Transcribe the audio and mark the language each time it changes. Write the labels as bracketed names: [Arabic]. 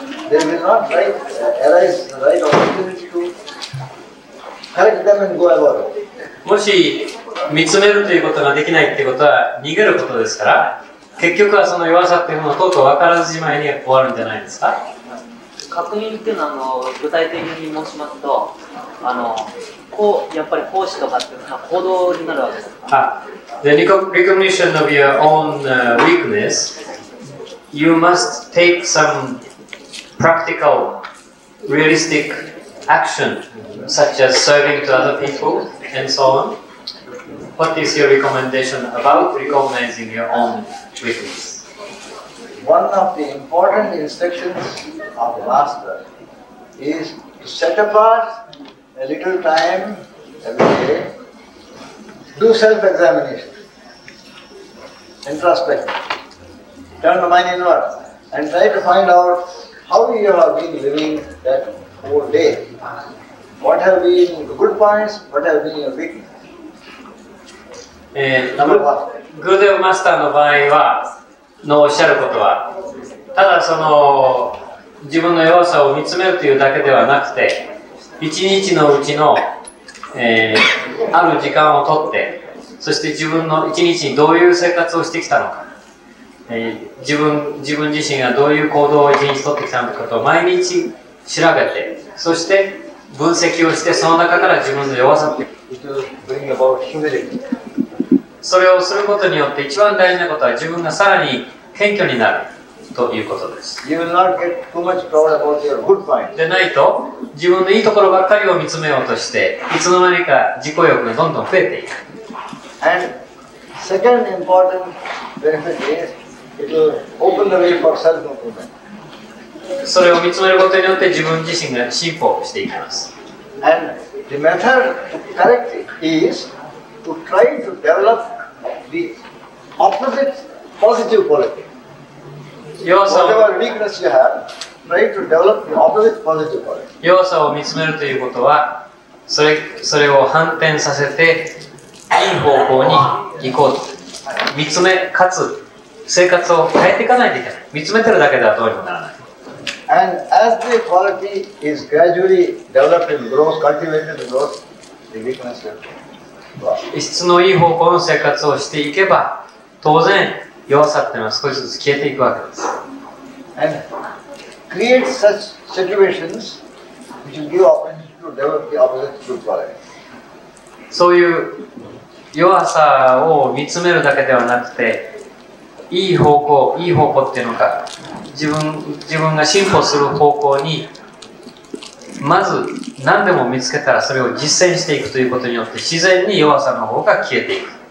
[English] They will not arise the right opportunity to correct them and go about it. [Japanese] もし見つめるということができないということは逃げることですから、結局はその弱さというものをとうとう分からずじまいに終わるんじゃないですか。確認っていうのは具体的に申しますと、こうやっぱり奉仕とかっていうのは行動になるわけですか。 [English] Ah, the recognition of your own weakness, you must take some practical, realistic action, such as serving to other people and so on. What is your recommendation about recognizing your own weakness? One of the important instructions of the master is to set apart a little time every day, do self-examination, introspect, turn the mind inward, and try to find out how you have been living that whole day. What have been the good points, what have been your weaknesses? [Japanese] グーデルマスターの場合はのおっしゃることはただその自分の弱さを見つめるというだけではなくて一日のうちの、ある時間をとってそして自分の一日にどういう生活をしてきたのか、自分自身がどういう行動を一日とってきたのかと毎日調べてそして分析をしてその中から自分の弱さをそれをすることによって一番大事なことは自分がさらに謙虚になるということです。 [English] You will not get too much proud about your good points. [Japanese] でないと自分のいいところばっかりを見つめようとしていつの間にか自己欲がどんどん増えていく。 [English] And second important benefit is it will open the way for self-improvement. [Japanese] それを見つめることによって自分自身が進歩していきます。 [English] And the method to correct isTo try to develop the opposite positive quality. Whatever weakness you have, try to develop the opposite positive quality. [Japanese] 弱さを見つめるということは、それを反転させて、いい方向に行こうと。見つめ、かつ、生活を変えていかないといけない。見つめてるだけではどうにもならない。 [English] And as the quality is gradually developed and grows, cultivated and grows, the weakness will grow. [Japanese] 質のいい方向の生活をしていけば当然弱さっていうのは少しずつ消えていくわけです。 [English] And create such situations which will give opportunity to develop the opposite good quality. [Japanese] そういう弱さを見つめるだけではなくて、いい方向っていうのか、自分が進歩する方向に。まず何でも見つけたらそれを実践していくということによって自然に弱さの方が消えていく。